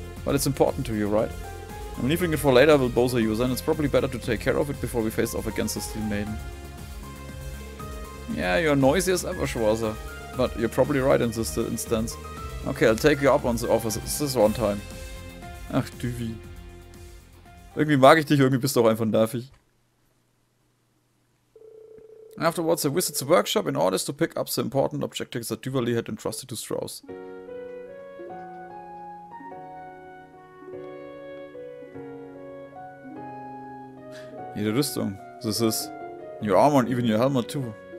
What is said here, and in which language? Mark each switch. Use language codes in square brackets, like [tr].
[en] But it's important to you, right? I'm leaving it for later will bother you, then it's probably better to take care of it before we face off against the Steel Maiden. Yeah, you're noisy as ever, Schwarzer. But you're probably right in this instance. Okay, I'll take you up on the office. It's this one time. [de] Ach, Düvi. Irgendwie mag ich dich, irgendwie bist du auch einfach nervig. [en] Afterwards, I visit the workshop in order to pick up the important objectives that Duvalie had entrusted to Strauss. [de] Jede Rüstung. [en] This is your armor and even your helmet too.